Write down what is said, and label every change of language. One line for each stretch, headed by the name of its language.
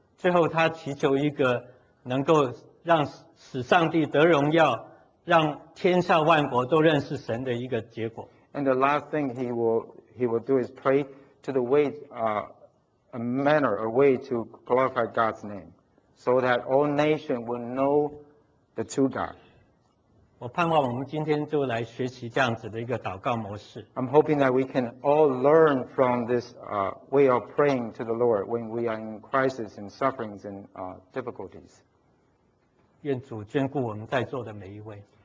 Chinese: 最后，他祈求一个能够使上帝得荣耀，让天下万国都认识神的一个结果。
English: And the last thing he will do is pray to the way a way to glorify God's name, so that all nations will know the true God.
Chinese: 我盼望我们今天就来学习这样子的一个祷告模式。
English: I'm hoping that we can all learn from this way of praying to the Lord when we are in crisis and sufferings and difficulties.
Chinese: 愿主眷顾我们在座的每一位。